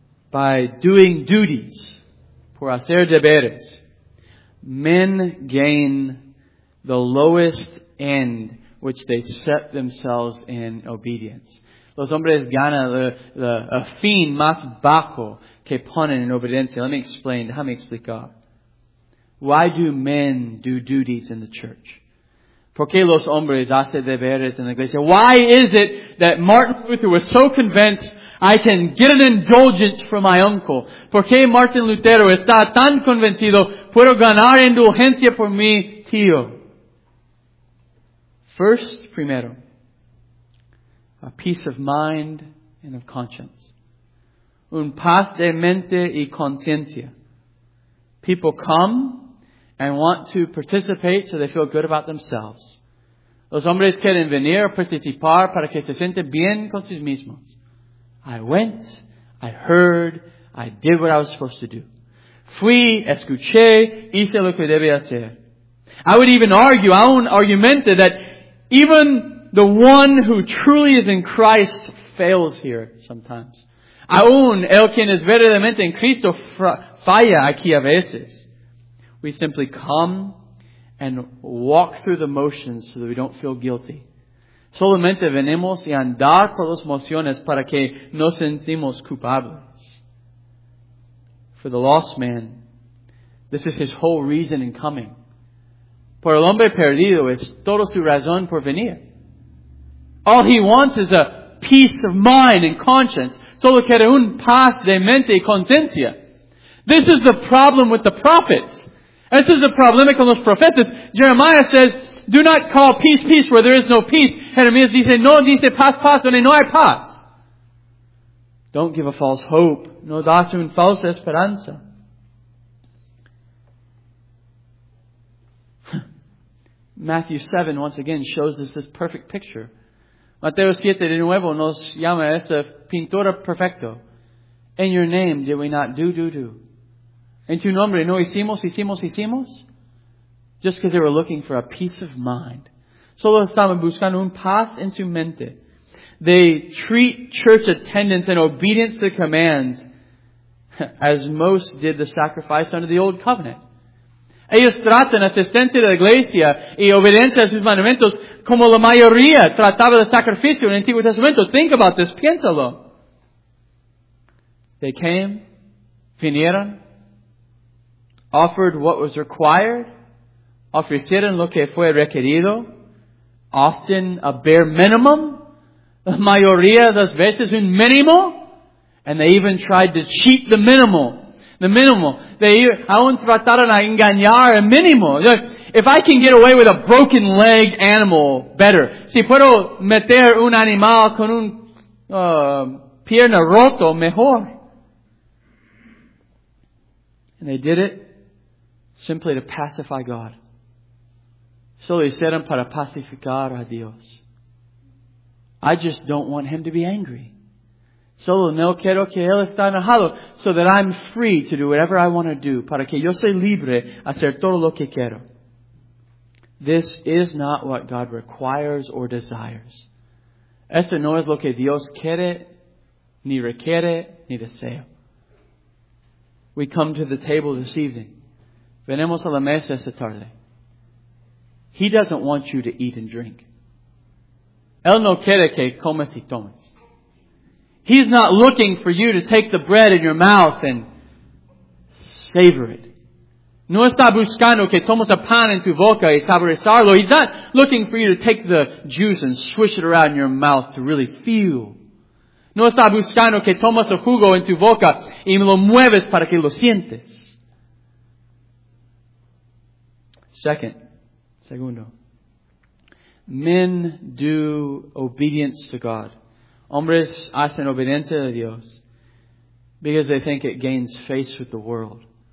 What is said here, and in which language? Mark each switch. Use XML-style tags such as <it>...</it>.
<en>By doing duties,</en> <es>por hacer deberes,</es> <en>men gain the lowest end which they set themselves in obedience.</en> <es>Los hombres ganan el fin más bajo que ponen en obediencia.</es> <en>Let me explain.</en> <es>Déjame explicar.</es> <en>Why do men do duties in the church?</en> <es>¿Por qué los hombres hacen deberes en la iglesia?</es> <en>Why is it that Martin Luther was so convinced I can get an indulgence from my uncle?</en> <es>¿Por qué Martin Lutero está tan convencido puedo ganar indulgencia por mi tío?</es> <en>First,</en> <es>primero,</es> <en>a peace of mind and of conscience.</en> <es>Un paz de mente y conciencia.</es> <en>People come and want to participate so they feel good about themselves.</en> <es>Los hombres quieren venir a participar para que se sienten bien con sí mismos.</es> <en>I went, I heard, I did what I was supposed to do.</en> <es>Fui, escuché, hice lo que debía hacer.</es> <en>I would even argue, I won't argument it, that even the one who truly is in Christ fails here sometimes.</en> <es>Aún el quien es verdaderamente en Cristo falla aquí a veces.</es> <en>We simply come and walk through the motions so that we don't feel guilty.</en> <es>Solamente venimos y andar por las emociones para que no sentimos culpables.</es> <en>For the lost man, this is his whole reason in coming.</en> <es>Por el hombre perdido es toda su razón por venir.</es> <en>All he wants is a peace of mind and conscience.</en> <es>Solo quiere un paz de mente y conciencia.</es> <en>This is the problem with the prophets. This is the problem with</en> <es>los profetas.</es> <en>Jeremiah says, do not call peace, peace where there is no peace.</en> <es>Jeremiah dice, no, dice paz, paz, donde no hay paz.</es> <en>Don't give a false hope.</en> <es>No das una falsa esperanza.</es> <en>Matthew 7, once again, shows us this perfect picture.</en> <es>Mateo 7, de nuevo, nos llama esa pintura perfecta.</es> <en>In your name did we not do.</en> <es>En tu nombre no hicimos.</es> <en>Just because they were looking for a peace of mind.</en> <es>Solo estaban buscando un paz en su mente.</es> <en>They treat church attendance and obedience to commands as most did the sacrifice under the old covenant.</en> <es>Ellos tratan asistencia de la iglesia y obediencia a sus mandamientos como la mayoría trataba el sacrificio en el Antiguo Testamento.</es> <en>Think about this,</en> <es>piénsalo.</es> <en>They came,</en> <es>vinieron,</es> <en>offered what was required,</en> <es>ofrecieron lo que fue requerido,</es> <en>often a bare minimum,</en> <es>la mayoría de las veces un mínimo,</es> <en>and they even tried to cheat the minimal. The minimal. They</en> <es>aún trataron a engañar el mínimo.</es> <en>If I can get away with a broken legged animal, better.</en> <es>Si puedo meter un animal con un pierna roto, mejor.</es> <en>And they did it simply to pacify God.</en> <es>Solo hicieron para pacificar a Dios.</es> <en>I just don't want him to be angry.</en> <es>Solo no quiero que él esté enojado,</es> <en>so that I'm free to do whatever I want to do,</en> <es>para que yo soy libre hacer todo lo que quiero.</es> <en>This is not what God requires or desires.</en> <es>Esto no es lo que Dios quiere, ni requiere, ni desea.</es> <en>We come to the table this evening.</en> <es>Venimos a la mesa esta tarde.</es> <en>He doesn't want you to eat and drink.</en> <es>Él no quiere que comas y tomes.</es> <en>He's not looking for you to take the bread in your mouth and savor it.</en> <es>No está buscando que tomes el pan en tu boca y saborizarlo.</es> <en>He's not looking for you to take the juice and swish it around in your mouth to really feel.</en> <es>No está buscando que tomes el jugo en tu boca y lo mueves para que lo sientes. Segundo.</es> <en>Men do obedience to God.</en> <es>Hombres hacen obediencia a Dios</es> <en>because they think it gains face with the world.</en>